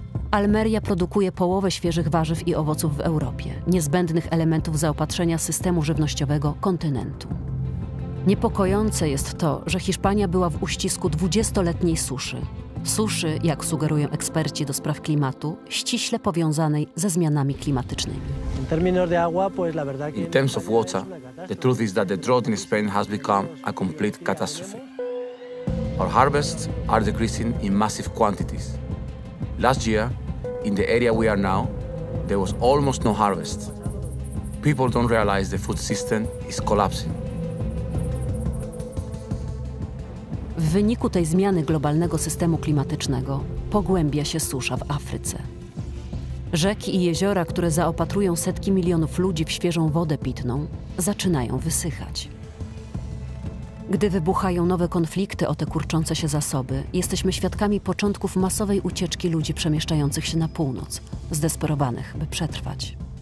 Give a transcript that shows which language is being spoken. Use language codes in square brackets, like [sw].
[pl] Almeria produkuje połowę świeżych warzyw i owoców w Europie, niezbędnych elementów zaopatrzenia systemu żywnościowego kontynentu. Niepokojące jest to, że Hiszpania była w uścisku 20-letniej suszy. Suszy, jak sugerują eksperci do spraw klimatu, ściśle powiązanej ze zmianami klimatycznymi. [en] In terms of water, the truth is that the drought in Spain has become a complete catastrophe. Our harvests are decreasing in massive quantities. Last year, in the area we are now, there was almost no harvest. People don't realize the food system is collapsing. [pl] W wyniku tej zmiany globalnego systemu klimatycznego pogłębia się susza w Afryce. Rzeki i jeziora, które zaopatrują setki milionów ludzi w świeżą wodę pitną, zaczynają wysychać. Gdy wybuchają nowe konflikty o te kurczące się zasoby, jesteśmy świadkami początków masowej ucieczki ludzi przemieszczających się na północ, zdesperowanych, by przetrwać.